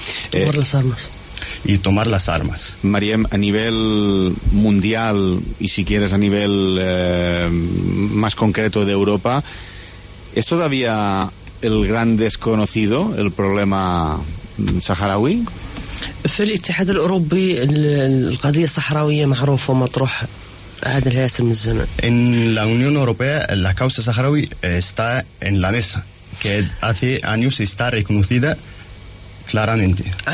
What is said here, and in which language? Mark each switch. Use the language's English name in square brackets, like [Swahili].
[Spanish] Tomar las armas. Y tomar las armas. Mariem, a nivel mundial y si quieres a nivel más concreto de Europa, ¿es todavía el gran desconocido, el problema saharaui? [Arabic] في الاتحاد الأوروبي القضية الصحراوية معروفة ومطروحة. [Spanish] En la Unión Europea la causa saharaui está en la mesa, que hace años está reconocida claramente.